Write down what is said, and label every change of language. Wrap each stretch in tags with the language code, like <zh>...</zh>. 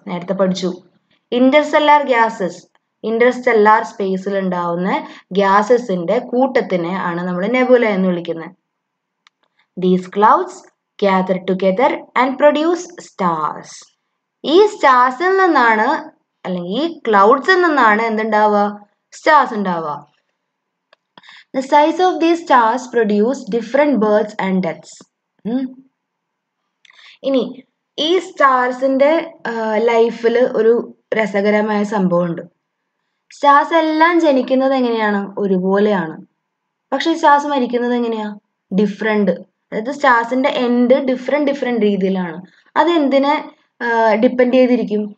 <ml>നേരത്തെ പഠിച്ചു interstellar gases, interstellar സ്പേസിൽ ഉണ്ടാവുന്ന ഗ്യാസസിന്റെ കൂട്ടത്തിനെ ആണ് നമ്മൾ നെബുല എന്ന് വിളിക്കുന്നത്.</ml> <en>These clouds gather together and produce stars.</en> <ml>ഈ സ്റ്റാർസിൽ നിന്നാണ്, അല്ലെങ്കിൽ ഈ ക്ലൗഡ്സിൽ നിന്നാണ് എന്തുണ്ടാവുക? സ്റ്റാർസ് ഉണ്ടാവുക.</ml> <en>The size of these stars produce different births and deaths.</en> <ml>ഇനി ഈ സ്റ്റാർസിന്റെ ലൈഫിൽ ഒരു രസകരമായ സംഭവമുണ്ട്. സ്റ്റാർസ് എല്ലാം ജനിക്കുന്നത് എങ്ങനെയാണ്? ഒരുപോലെയാണ്. പക്ഷെ സ്റ്റാർസ് മരിക്കുന്നത് എങ്ങനെയാ? ഡിഫറെന്റ്. അതായത് സ്റ്റാർസിന്റെ എൻഡ് ഡിഫറെന്റ് രീതിയിലാണ്. അത് എന്തിനെ ഡിപ്പെൻഡ് ചെയ്തിരിക്കും?</ml>